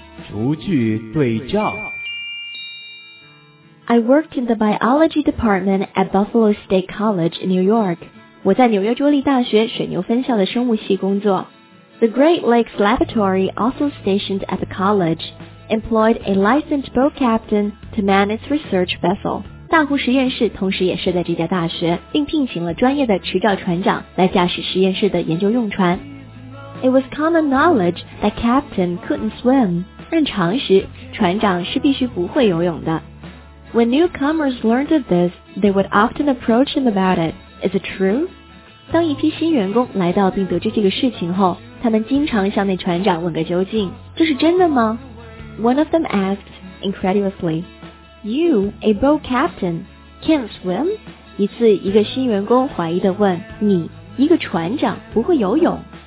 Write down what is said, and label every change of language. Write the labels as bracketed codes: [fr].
[zh] 逐句对照。 [en] I worked in the biology department at Buffalo State College in New York. [zh] 我在纽约州立大学水牛分校的生物系工作。 [en] The Great Lakes Laboratory, also stationed at the college, employed a licensed boat captain to man its research vessel. [zh] 大湖实验室同时也是在这家大学，并聘请了专业的执照船长来驾驶实验室的研究用船。 [en] It was common knowledge that captain couldn't swim. [zh] 按常识，船长是必须不会游泳的。 [en] When newcomers learned of this, they would often approach him about it. Is it true? [zh] 当一批新员工来到并得知这个事情后，他们经常向那船长问个究竟，这是真的吗？ [en] One of them asked, incredulously, You, a boat captain, can't swim? [zh] 一次，一个新员工怀疑地问，你，一个船长，不会游泳？